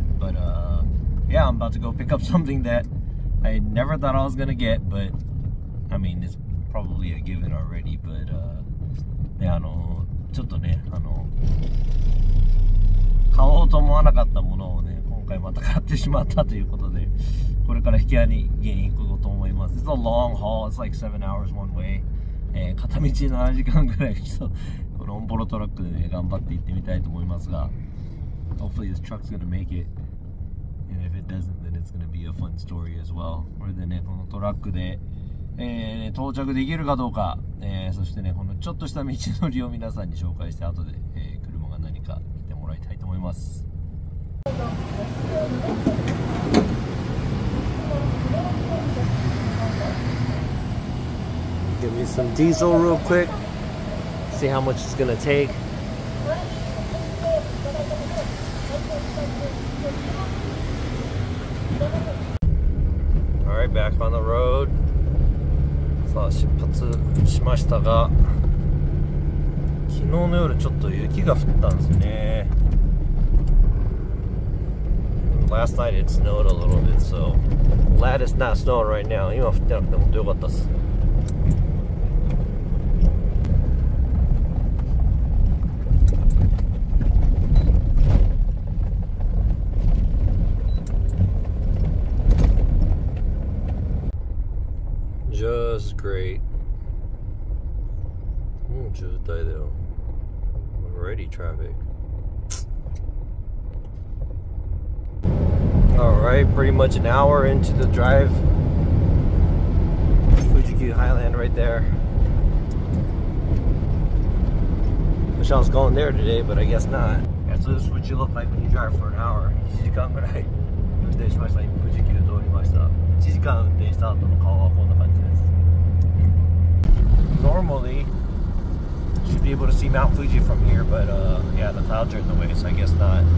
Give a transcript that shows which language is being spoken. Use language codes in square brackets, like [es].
[en] But yeah, I'm about to go pick up something that I never thought I was gonna get. But I mean, it's probably a given already. But yeah, [ja] ちょっとね、買おうと思わなかったものをね、今回また買ってしまったということで。これから引き合いに行くこうと思います。 [en] It's a long haul. It's like 7 hours one way. [ja] 片道7時間ぐらい、このオンボロトラックで、ね、頑張って行ってみたいと思いますが、 [en] Hopefully this truck's gonna make it. And if it doesn't, then it's gonna be a fun story as well. [ja] これでね、このトラックで、到着できるかどうか、そしてね、このちょっとした道のりを皆さんに紹介して、後で、車が何か見てもらいたいと思います。 [en] Give me some diesel real quick. See how much it's gonna take. All right, back on the road. [ja] さあ出発しましたが、昨日の夜ちょっと雪が降ったんですね。 [en] Last night it snowed a little bit, so glad it's not snowing right now. [ja] 今降ってなくても良かったです。 [en] Just great. Oh, [ja] 渋滞だよ。 [en] Already traffic. Alright, pretty much an hour into the drive. Fuji-Q Highland right there. Wish I was going there today, but I guess not. Yeah, so this is what you look like when you drive for an hour. [ja] 1時間ぐらい運転しました。 Fuji-Q 通りました。 1時間運転した後の顔はこんな感じです。 [en] Normally, should be able to see Mount Fuji from here, but yeah, the clouds are in the way, so I guess not.